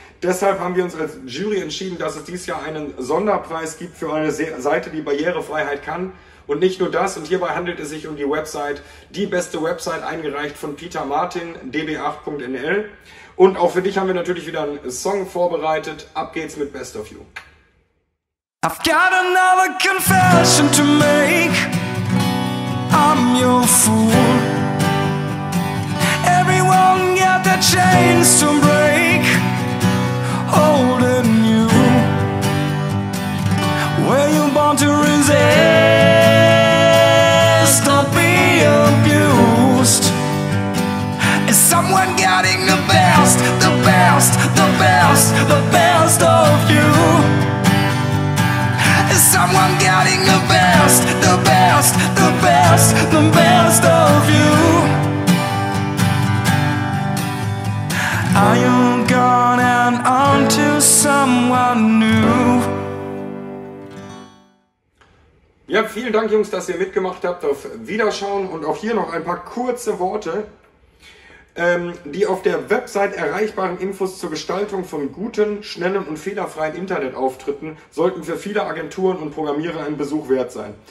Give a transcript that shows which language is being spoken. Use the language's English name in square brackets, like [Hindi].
[German] Deshalb haben wir uns als Jury entschieden, dass es dieses Jahr einen Sonderpreis gibt für eine Seite, die Barrierefreiheit kann. Und nicht nur das, und hierbei handelt es sich um die Website, die beste Website, eingereicht von Peter Martin, db8.nl. Und auch für dich haben wir natürlich wieder einen Song vorbereitet. Ab geht's mit Best of You. [English] I've got another confession to make. I'm your fool. Everyone got their chains to break. Holding you. Where you born to resist or be abused? Is someone getting the best, the best, the best, the best of you? Is someone getting the best, the best, the best, the best of you? Are you gone and on to someone new? [German] Ja, vielen Dank, Jungs, dass ihr mitgemacht habt auf Wiederschauen. Und auch hier noch ein paar kurze Worte. Die auf der Website erreichbaren Infos zur Gestaltung von guten, schnellen und fehlerfreien Internetauftritten sollten für viele Agenturen und Programmierer ein Besuch wert sein.